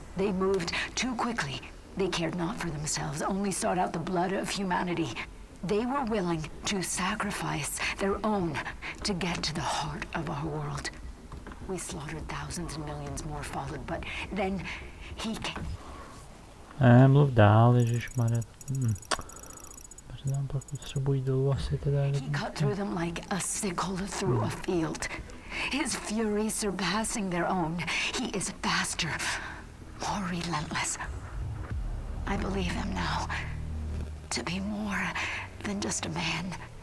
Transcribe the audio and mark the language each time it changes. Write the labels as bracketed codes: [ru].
[en] They moved too quickly. They cared not for themselves, only sought out the blood of humanity. They were willing to sacrifice their own to get to the heart of our world. We slaughtered thousands and millions more followed, but then he came. [cs] Mluv dál, ježišmarja. Nám pak potřebují dolů asi teda. [en] He cut through them like a sickle through a field. His fury surpassing their own. He is faster, more relentless. I believe him now to be more than just a man.